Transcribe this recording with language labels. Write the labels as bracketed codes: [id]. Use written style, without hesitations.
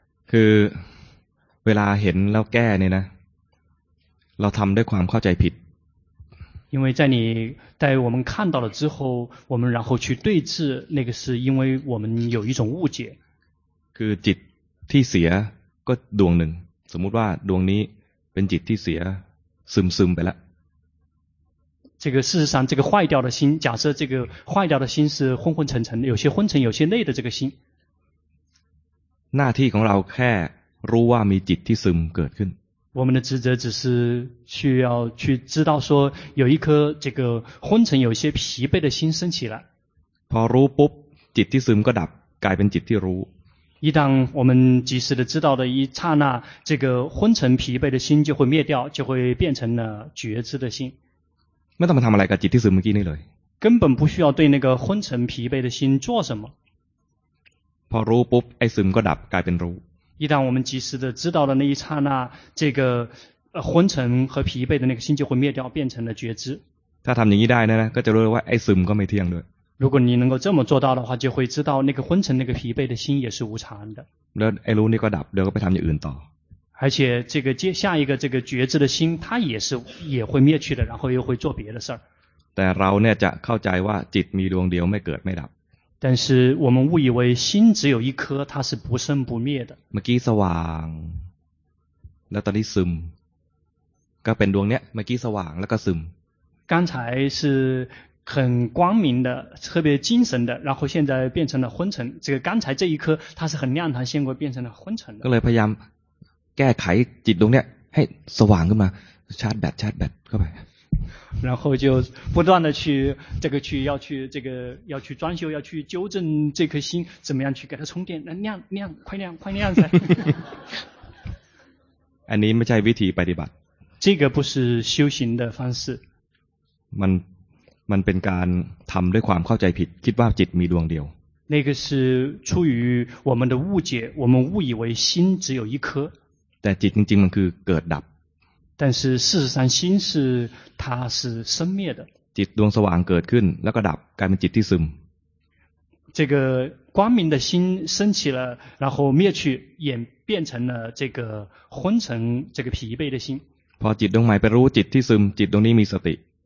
[th] คือเวลาเห็นแล้วแก้เนี่ยนะเราทำด้วยความเข้าใจผิด [zh] 因为在我们看到了之后我们然后去对治那个是因为我们有一种误解 [th] คือจิตที่เสียก็ดวงหนึ่งสมมุติว่าดวงนี้เป็นจิตที่เสียซึมไปแล้ว [zh] 这个事实上这个坏掉的心假设这个坏掉的心是昏昏沉沉有些昏沉有些累的这个心 [th] หน้าที่ของเราแค่รู้ว่ามีจิตที่ซึมเกิดขึ้น [zh] 我们的职责只是需要去知道说有一颗这个昏沉有些疲惫的心升起来 [th] พอรู้ปุ๊บจิตที่ซึมก็ดับกลายเป็นจิตที่รู้ [zh] 一旦我们及时的知道的一刹那，这个昏沉疲惫的心就会灭掉，就会变成了觉知的心。 [th] ไม่ต้องมาทำอะไรกับจิตที่ซึมเมื่อกี้นี่เลย。 [zh] 根本不需要对那个昏沉疲惫的心做什么。 [th] พอรู้ปุ๊บไอ้ซึมก็ดับกลายเป็นรู้。 [zh] 一旦我们及时的知道的那一刹那，这个昏沉和疲惫的那个心就会灭掉，变成了觉知。 [th] ถ้าทำอย่างนี้ได้นะก็จะรู้ว่าไอ้ซึมก็ไม่เที่ยงด้วย。 [zh] 如果你能够这么做到的话，就会知道那个昏沉、那个疲惫的心也是无常的。那哎，如果你个答，那个被他们引导。而且这个下一个这个觉知的心，它也会灭去的，然后又会做别的事儿。但 [th] เราเนี่ยจะเข้าใจว่าจิตมีดวงเดียวไม่เกิดไม่ดับ。 [zh] 但是我们误以为心只有一颗，它是不生不灭的。 [th] เมื่อกี้สว่างแล้วตอนนี้ซึมก็เป็นดวงเนี้ยเมื่อกี้สว่างแล้วก็ซึม。 [zh] 刚才是。很光明的特别精神的然后现在变成了昏沉这个刚才这一颗它是很亮它现在变成了昏沉 [th] 的。ก็เลยพยายามแก้ไขจิตตรงเนี้ยให้สว่างขึ้นมาชาร์จแบตเข้าไป [zh] 然后就不断的去这个去要去这个要去装修要去纠正这颗心怎么样去给它充电那亮亮快亮快亮噻 [th] อันนี้ไม่ใช่วิธีปฏิบัติ [zh] 这个不是修行的方式 [th] มันเป็นการทำด้วยความเข้าใจผิดคิดว่าจิตมีดวงเดียว [zh] 那个是出于我们的误解我们误以为心只有一颗 [th] แต่จิตจริงๆมันคือเกิดดับ [zh] 但是事实上心是它是生灭的 [th] จิตดวงสว่างเกิดขึ้นแล้วก็ดับกลายเป็นจิตที่ซึม [zh] 这个光明的心升起了然后灭去演变成了这个昏沉这个疲惫的心 [th] พอจิตดวงใหม่ไปรู้จิตที่ซึมจิตดวงนี้มีสติ